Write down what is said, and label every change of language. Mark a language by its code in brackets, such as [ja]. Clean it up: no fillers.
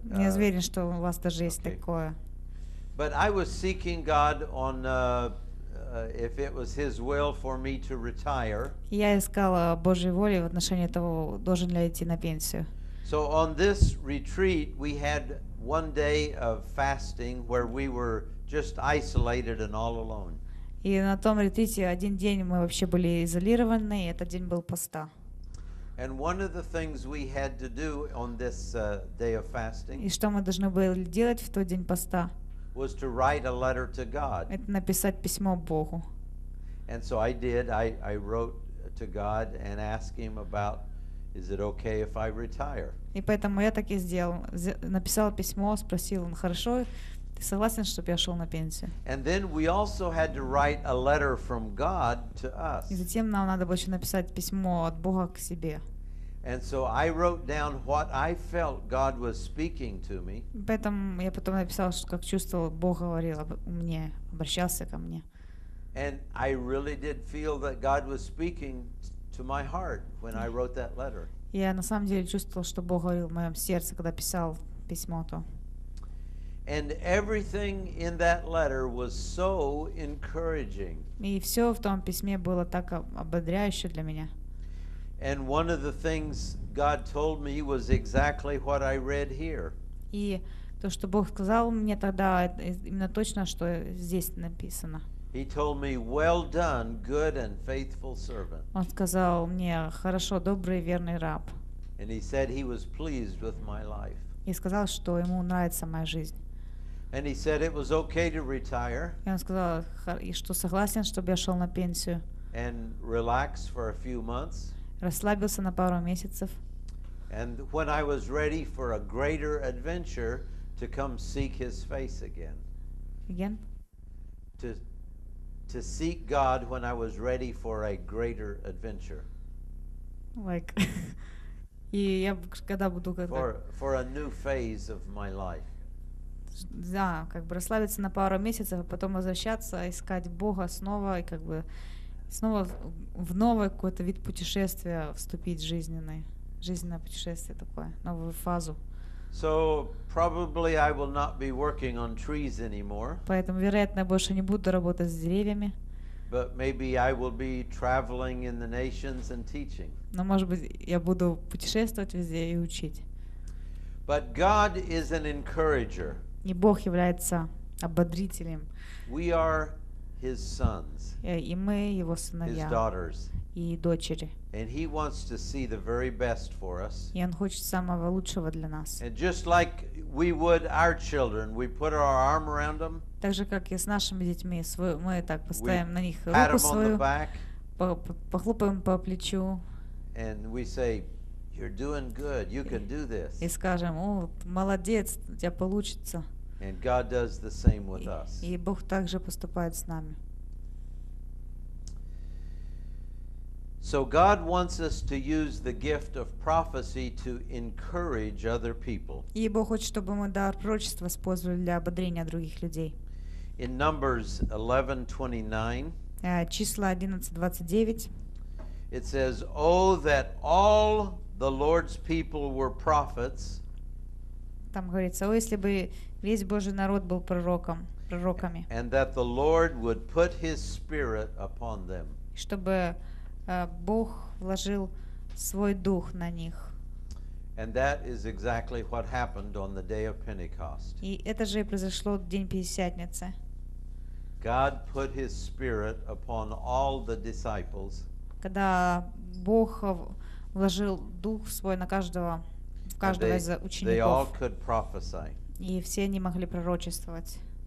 [ru] не уверен, что у вас даже есть такое. [en] But I was seeking God on if it was His will for me to retire. [ru] Я искала Божьей воли в отношении того, должен ли я идти на пенсию. [en] So on this retreat, we had one day of fasting where we were just isolated and all alone. [ru] И на том ретрите один день мы вообще были изолированы, и этот день был поста. [en] And one of the things we had to do on this day of fasting. [ru] И что мы должны были делать в тот день поста? [en] Was to write a letter to God. [ru] Это написать письмо Богу. [en] And so I did. I wrote to God and asked Him about, is it okay if I retire? [ru] И поэтому я так и сделал. Написал письмо, спросил, хорошо? Ты согласен, чтобы я шел на пенсию? [en] And then we also had to write a letter from God to us. [ru] И затем нам надо было еще написать письмо от Бога к себе. [en] And so I wrote down what I felt God was speaking to me. [ru] Поэтому я потом написал, что как чувствовал, Бог говорил мне, обращался ко мне. [en] And I really did feel that God was speaking to my heart when I wrote that letter. [ru] Я на самом деле чувствовал, что Бог говорил в моем сердце, когда писал письмо то. [en] And everything in that letter was so encouraging. [ru] И все в том письме было так ободряюще для меня. [en] And one of the things God told me was exactly what I read here. [ru] И то, что Бог сказал мне тогда, именно точно, что здесь написано. [en] He told me, "Well done, good and faithful servant." [ru] Он сказал мне, хорошо, добрый, верный раб. [en] And he said he was pleased with my life. [ru] И сказал, что ему нравится моя жизнь. [en] And he said it was okay to retire. [ru] И он сказал, что согласен, чтобы я шел на пенсию. [en] And relax for a few months. [ru] Расслабился на пару месяцев. [en] And when I was ready for a greater adventure to come seek His face again. Again? To seek God when I was ready for a greater adventure. [ru] Like, и я когда буду готов. [en] For a new phase of my life. [ru] Да, как бы расслабиться на пару месяцев, а потом возвращаться, искать Бога снова и как бы снова в новый какой-то вид путешествия вступить, жизненное путешествие такое, новую фазу. [en] So probably I will not be working on trees anymore. [ru] Поэтому, вероятно, я больше не буду работать с деревьями. [en] But maybe I will be traveling in the nations and teaching. [ru] Но, может быть, я буду путешествовать везде и учить. [en] But God is an encourager. [ru] И Бог является ободрителем. [en] We are His sons. [ru] И мы Его сыновья. [en] His daughters. [ru] И дочери. [en] And He wants to see the very best for us. [ru] И Он хочет самого лучшего для нас. [en] And just like we would our children, we put our arm around them. [ru] Так же, как и с нашими детьми, мы так поставим на них руку свою, похлопаем по плечу. [en] And we say, you're doing good, you can do this. [ru] И скажем, о, молодец, у тебя получится. [en] And God does the same with us. [ru] И Бог также поступает с нами. [en] So God wants us to use the gift of prophecy to encourage other people. [ru] И Бог хочет, чтобы мы дар пророчества использовали для ободрения других людей. [en] In Numbers 11:29. [ru] Числа 11:29. [en] It says, "Oh, that all the Lord's people were prophets." [ru] Там говорится, о, если бы весь Божий народ был пророком, пророками. [en] And that the Lord would put His Spirit upon them. [ru] Чтобы Бог вложил свой дух на них. [en] And that is exactly what happened on the day of Pentecost. [ru] И это же и произошло в день Пятидесятницы. [en] God put His Spirit upon all the disciples. [ru] Когда Бог вложил дух свой на каждого, в каждого из учеников. [en] They all could prophesy. [ru] И все они могли пророчествовать.